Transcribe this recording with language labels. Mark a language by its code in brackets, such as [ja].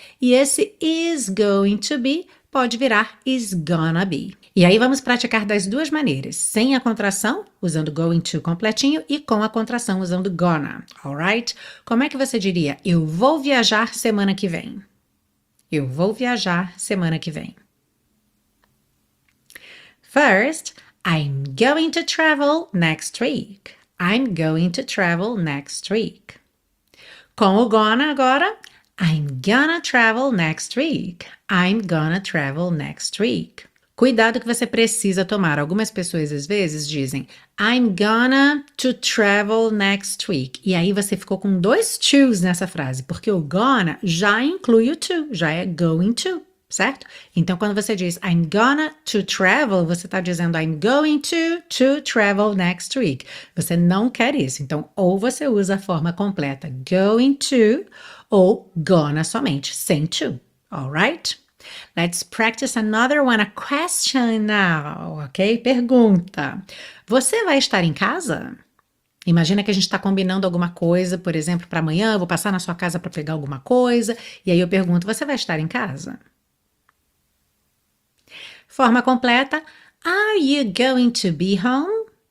[pt] E esse [en] is going to be [pt] pode virar [en] is gonna be. [pt] E aí vamos praticar das duas maneiras: sem a contração, usando going to completinho, e com a contração, usando gonna. Alright? Como é que você diria eu vou viajar semana que vem? Eu vou viajar semana que vem. [en] First, I'm going to travel next week. I'm going to travel next week. [pt] Com o gonna agora, [en] I'm gonna travel next week. I'm gonna travel next week. [pt] Cuidado que você precisa tomar. Algumas pessoas às vezes dizem [en] I'm gonna to travel next week. [pt] E aí você ficou com dois to's nessa frase, porque o gonna já inclui o to, já é going to, certo? Então quando você diz [en] I'm gonna to travel, [pt] você está dizendo [en] I'm going to travel next week. [pt] Você não quer isso. Então ou você usa a forma completa going to ou gonna somente, sem to. [en] Alright? Let's practice another one, a question now, ok? [pt] Pergunta: você vai estar em casa? Imagina que a gente está combinando alguma coisa, por exemplo, para amanhã, eu vou passar na sua casa para pegar alguma coisa, e aí eu pergunto: você vai estar em casa? Forma completa: [en] Are you going to be home?